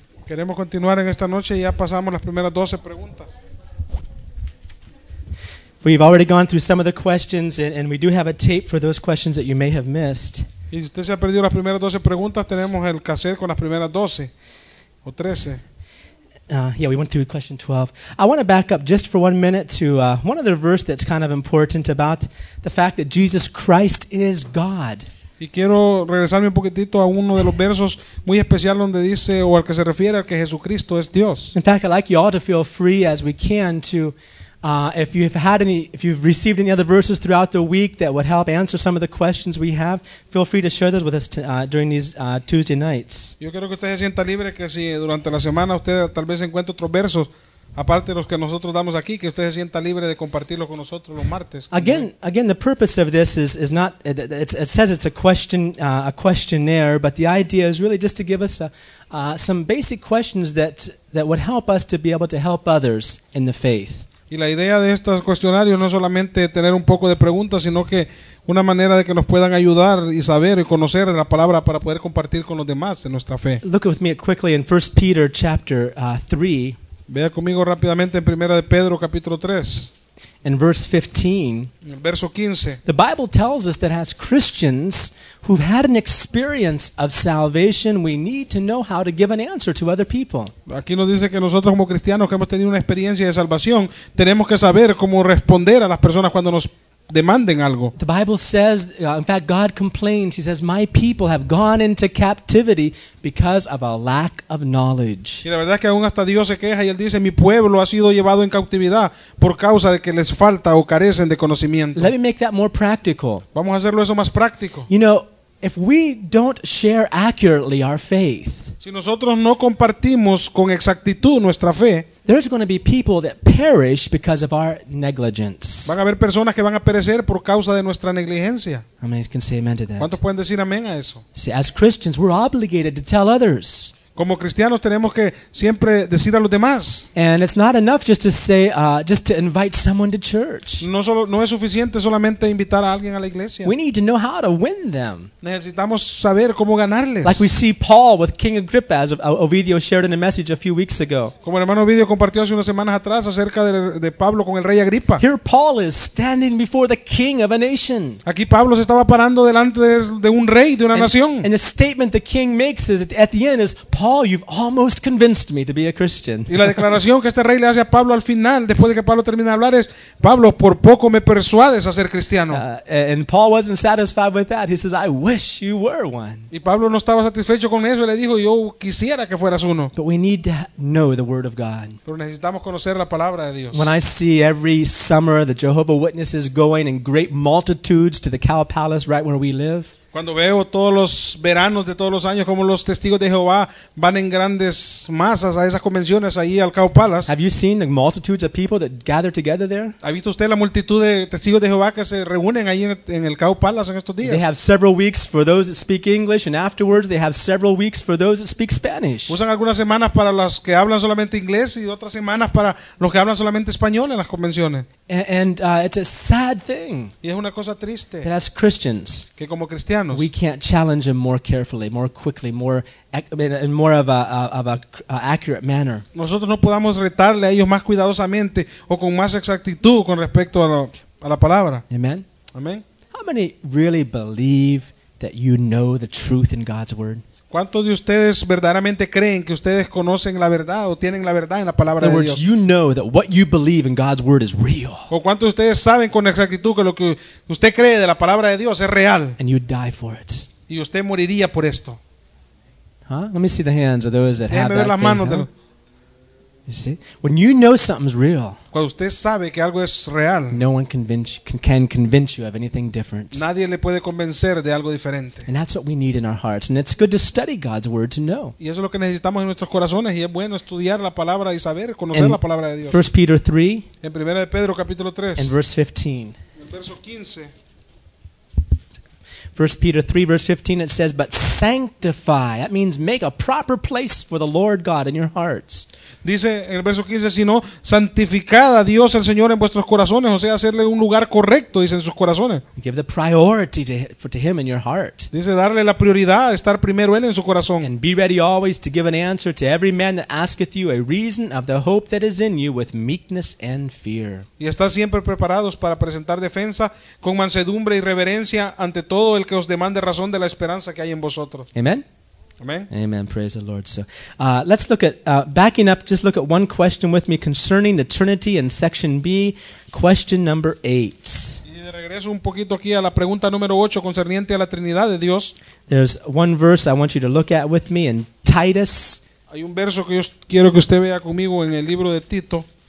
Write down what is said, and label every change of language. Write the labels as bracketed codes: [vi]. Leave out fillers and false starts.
[es] Queremos continuar en esta noche y ya pasamos las primeras 12 preguntas. [en] We've already gone through some of the questions, and we do have a tape for those questions that you may have missed. [es] Y si usted se ha perdido las primeras 12 preguntas, tenemos el cassette con las primeras 12 o 13. [en] We went through question 12. I want to back up just for 1 minute to one other verse that's kind of important about the fact that Jesus Christ is God. [es] Y quiero regresarme un poquitito a uno de los versos muy especial donde dice, o al que se refiere, al que Jesucristo es Dios. [en] In fact, I'd like you all to feel free as we can to, if you've received any other verses throughout the week that would help answer some of the questions we have, feel free to share those with us during these Tuesday nights. [es] Yo quiero que usted se sienta libre que si durante la semana usted tal vez encuentre otros versos aparte de los que nosotros damos aquí, que usted se sienta libre de compartirlo con nosotros los martes. [en] Again, the purpose of this is not, it says it's a questionnaire, but the idea is really just to give us some basic questions that would help us to be able to help others in the faith. [es] Y la idea de estos cuestionarios no solamente tener un poco de preguntas, sino que una manera de que nos puedan ayudar y saber y conocer la palabra para poder compartir con los demás en nuestra fe. [en] Look with me quickly in 1 Peter chapter 3. [es] Vea conmigo rápidamente en Primera de Pedro capítulo 3. [en] In verse 15. [es] En el verso 15. [en] The Bible tells us that as Christians who've had an experience of salvation, we need to know how to give an answer to other people. [es] Aquí nos dice que nosotros como cristianos que hemos tenido una experiencia de salvación, tenemos que saber cómo responder a las personas cuando nos demanden algo. [en] The Bible says, in fact, God complains. He says, "My people have gone into captivity because of a lack of knowledge." [es] Y la verdad es que aún hasta Dios se queja y él dice, "Mi pueblo ha sido llevado en cautividad por causa de que les falta o carecen de conocimiento." [en] Let me make that more practical. [es] Vamos a hacerlo eso más práctico. [en] You know, if we don't share accurately our faith, [es] si nosotros no compartimos con exactitud nuestra fe, [en] there's going to be people that perish because of our negligence. [es] Van a haber personas que van a perecer por causa de nuestra negligencia. [en] How many can say amen to that? [es] ¿Cuántos pueden decir amén a eso? [en] See, as Christians, we're obligated to tell others. [es] Como cristianos tenemos que siempre decir a los demás. [en] And it's not enough just to say, just to invite someone to church. [es] No es suficiente solamente invitar a alguien a la iglesia. [en] We need to know how to win them. [es] Necesitamos saber cómo ganarles. [en] Like we see Paul with King Agrippa, as Ovidio shared in a message a few weeks ago. [es] Como el hermano Ovidio compartió hace unas semanas atrás acerca de Pablo con el rey Agripa. [en] Here Paul is standing before the king of a nation. [es] Aquí Pablo se estaba parando delante de un rey de una nación. [en] And the statement the king makes is at the end is, "Paul, you've almost convinced me to be a Christian." [es] Y la declaración que este rey le hace a Pablo al final, después de que Pablo termina de hablar, es, "Pablo, por poco me persuades a ser cristiano." [en] And Paul wasn't satisfied with that. He says, "I wish you were one." [es] Y Pablo no estaba satisfecho con eso. Y le dijo, "Yo quisiera que fueras uno." [en] But we need to know the Word of God. [es] Pero necesitamos conocer la palabra de Dios. [en] When I see every summer the Jehovah Witnesses going in great multitudes to the Cow Palace right where we live, [es] cuando veo todos los veranos de todos los años como los testigos de Jehová van en grandes masas a esas convenciones ahí al Cow Palace. [en] Have you seen the multitudes of people that gather together there? [es] ¿Ha visto usted la multitud de testigos de Jehová que se reúnen ahí en el Cow Palace en estos días? [en] They have several weeks for those that speak English, and afterwards they have several weeks for those that speak Spanish. [es] Usan algunas semanas para los que hablan solamente inglés y otras semanas para los que hablan solamente español en las convenciones. [en] And it's a sad thing. [es] Y es una cosa triste. [en] That as Christians, [es] que como cristianos, [en] we can't challenge them more carefully, more quickly, more of an accurate manner. [es] Nosotros no podamos retarle a ellos más cuidadosamente o con más exactitud con respecto a la palabra. [en] Amen. [es] Amen. [en] How many really believe that you know the truth in God's word? [es] ¿Cuántos de ustedes verdaderamente creen que ustedes conocen la verdad o tienen la verdad en la palabra de Dios? [en] You know that what you believe in God's word is real. [es] ¿O cuántos de ustedes saben con exactitud que lo que usted cree de la palabra de Dios es real? [en] And you'd die for it. [es] Y usted moriría por esto. Huh? [en] Let me see the hands of those that [es] déjeme [en] have [es] ver [en] that [es] las manos [en] thing, [es] de [en] huh? You see, when you know something's real, [es] cuando usted sabe que algo es real, [en] no one can convince you of anything different. [es] Nadie le puede convencer de algo diferente. [en] And that's what we need in our hearts. And it's good to study God's word to know. [es] Y eso es lo que necesitamos en nuestros corazones. Y es bueno estudiar la palabra y saber conocer la palabra de Dios. [en] 1 Peter 3. [es] En Primera de Pedro capítulo 3. [en] And verse 15. [es] En verso 15. [en] First Peter 3, verse 15, it says, but sanctify, that means make a proper place for the Lord God in your hearts. [es] Dice el verso 15, sino santificad a Dios el Señor en vuestros corazones, o sea, hacerle un lugar correcto, dice, en sus corazones. [en] Give the priority to Him in your heart. [es] Dice darle la prioridad, estar primero Él en su corazón. [en] And be ready always to give an answer to every man that asketh you a reason of the hope that is in you with meekness and fear. [es] Y estar siempre preparados para presentar defensa con mansedumbre y reverencia ante todo el que os demande razón de la esperanza que hay en vosotros. [en] Amen. [es] Amen. [en] Amen. Praise the Lord. So let's look at, backing up, just look at one question with me concerning the Trinity in section B, question number 8. [es] Y de regreso un poquito aquí a la pregunta número 8 concerniente a la Trinidad de Dios. [en] There's one verse I want you to look at with me in Titus. [es] Hay un verso que yo quiero que usted vea conmigo en el libro de Tito.